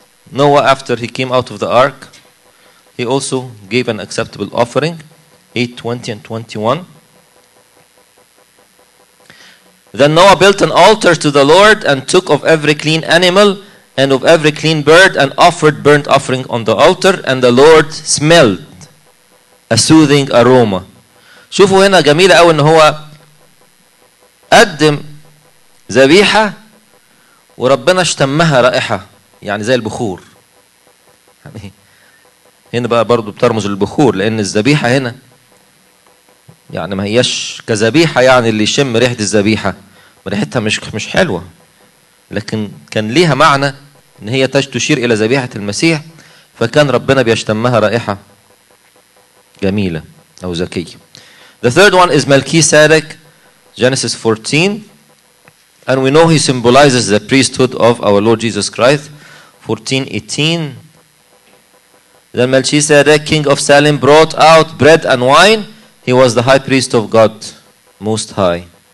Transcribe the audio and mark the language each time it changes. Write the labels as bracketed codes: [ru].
[en] Noah, after he came out of the ark, he also gave an acceptable offering, 8:20 and 21. Then Noah built an altar to the Lord and took of every clean animal and of every clean bird and offered burnt offering on the altar, and the Lord smelled a soothing aroma. [ar] شوفوا هنا جميلة أوي إن هو قدم ذبيحة وربنا اشتمها رائحة يعني زي البخور. يعني هنا بقى برضو بترمز للبخور لأن الذبيحة هنا يعني ما هيش كذبيحة يعني اللي يشم ريحة الذبيحة ريحتها مش حلوة لكن كان ليها معنى إن هي تشير إلى ذبيحة المسيح فكان ربنا بيشتمها رائحة جميلة أو زكية. [en] The third one is Melchizedek, Genesis 14, and we know he symbolizes the priesthood of our Lord Jesus Christ. 14:18. Then Melchizedek, king of Salem, brought out bread and wine. He was the high priest of God Most High.